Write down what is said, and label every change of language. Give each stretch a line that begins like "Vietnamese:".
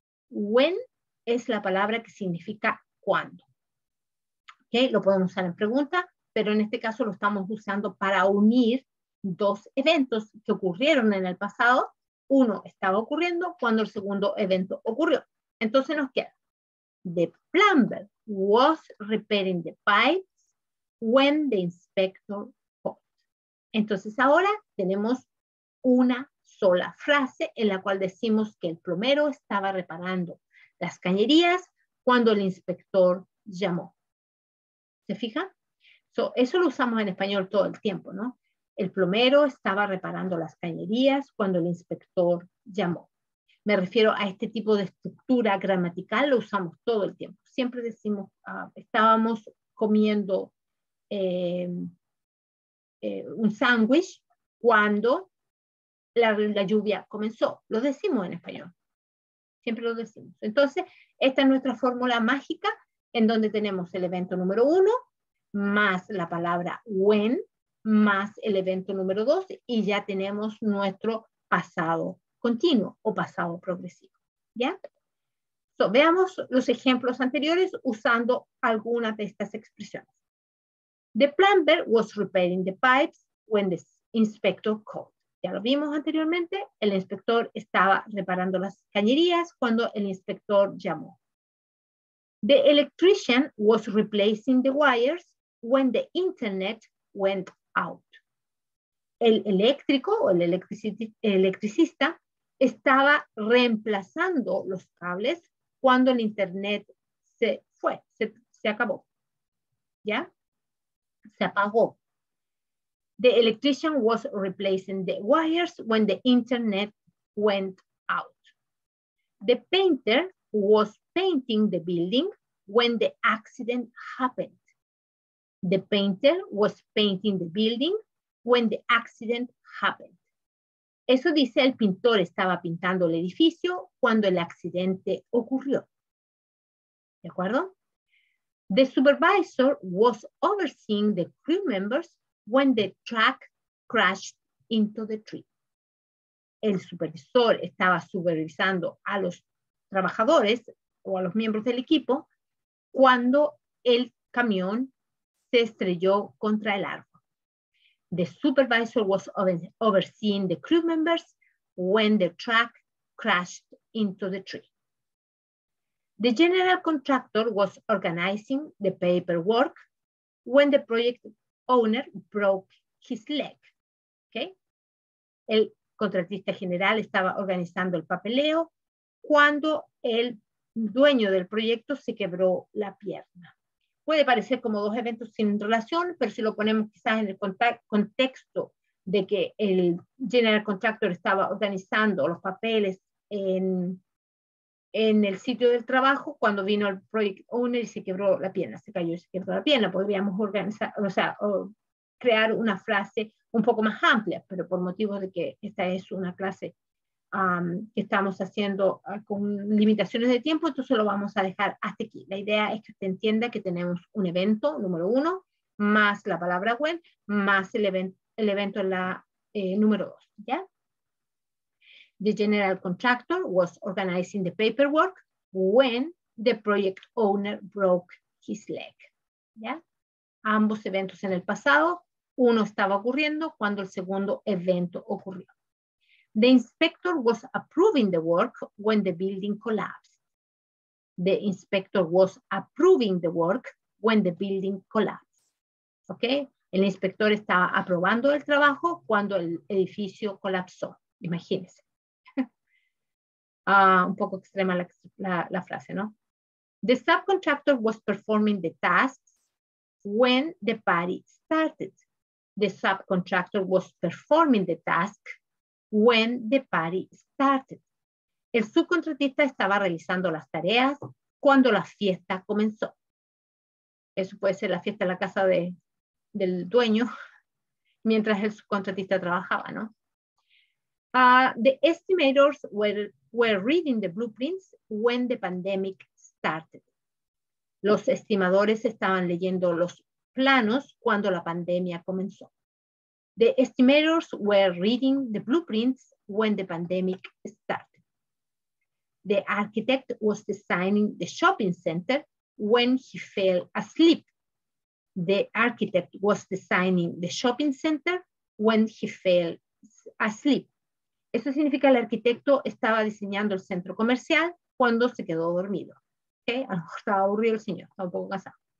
Spanish: When es la palabra que significa cuándo. ¿Okay? Lo podemos usar en pregunta, pero en este caso lo estamos usando para unir dos eventos que ocurrieron en el pasado. Uno estaba ocurriendo cuando el segundo evento ocurrió. Entonces nos queda
English: the plumber was repairing the pipes when the inspector called.
Spanish: Entonces ahora tenemos una sola frase en la cual decimos que el plomero estaba reparando las cañerías cuando el inspector llamó. ¿Se fija? So, eso lo usamos en español todo el tiempo, ¿no? El plomero estaba reparando las cañerías cuando el inspector llamó. Me refiero a este tipo de estructura gramatical, lo usamos todo el tiempo. Siempre decimos, estábamos comiendo un sándwich cuando la lluvia comenzó. Lo decimos en español. Siempre lo decimos. Entonces, esta es nuestra fórmula mágica en donde tenemos el evento número uno, más la palabra when, más el evento número dos, y ya tenemos nuestro pasado continuo o pasado progresivo. ¿Ya? So, veamos los ejemplos anteriores usando algunas de estas expresiones.
English: The plumber was repairing the pipes when the inspector called.
Spanish: Ya lo vimos anteriormente, el inspector estaba reparando las cañerías cuando el inspector llamó.
English: The electrician was replacing the wires when the internet went out.
Spanish: El eléctrico o el electricista estaba reemplazando los cables cuando el internet se fue, se acabó. ¿Ya? Se apagó.
English: The electrician was replacing the wires when the internet went out. The painter was painting the building when the accident happened. The painter was painting the building when the accident happened.
Spanish: Eso dice el pintor estaba pintando el edificio cuando el accidente ocurrió. ¿De acuerdo?
English: The supervisor was overseeing the crew members when the truck crashed into the tree.
Spanish: El supervisor estaba supervisando a los trabajadores o a los miembros del equipo cuando el camión se estrelló contra el árbol.
English: The supervisor was overseeing the crew members when the truck crashed into the tree. The general contractor was organizing the paperwork when the project owner broke his leg. Okay?
Spanish: El contratista general estaba organizando el papeleo cuando el dueño del proyecto se quebró la pierna. Puede parecer como dos eventos sin relación, pero si lo ponemos quizás en el contexto de que el
English: general contractor
Spanish: estaba organizando los papeles en el sitio del trabajo, cuando vino el
English: project owner
Spanish: y se quebró la pierna, se cayó y se quebró la pierna, podríamos organizar, o sea, crear una frase un poco más amplia, pero por motivo de que esta es una clase que estamos haciendo con limitaciones de tiempo, entonces lo vamos a dejar hasta aquí. La idea es que usted entienda que tenemos un evento, número uno, más la palabra when, más el evento número dos. ¿Ya?
English: The general contractor was organizing the paperwork when the project owner broke his leg.
Spanish: ¿Ya? Ambos eventos en el pasado, uno estaba ocurriendo cuando el segundo evento ocurrió.
English: The inspector was approving the work when the building collapsed. The inspector was approving the work when the building collapsed. ¿Ok?
Spanish: El inspector estaba aprobando el trabajo cuando el edificio colapsó. Imagínense. Un poco extrema la frase, ¿no?
English: The subcontractor was performing the tasks when the party started. The subcontractor was performing the task when the party started.
Spanish: El subcontratista estaba realizando las tareas cuando la fiesta comenzó. Eso puede ser la fiesta en la casa del dueño, mientras el subcontratista trabajaba, ¿no?
English: The estimators were reading the blueprints when the pandemic started.
Spanish: Los estimadores estaban leyendo los planos cuando la pandemia comenzó.
English: The estimators were reading the blueprints when the pandemic started. The architect was designing the shopping center when he fell asleep. The architect was designing the shopping center when he fell asleep.
Spanish: Eso significa que el arquitecto estaba diseñando el centro comercial cuando se quedó dormido. ¿Okay? A lo mejor estaba aburrido el señor, estaba un poco cansado.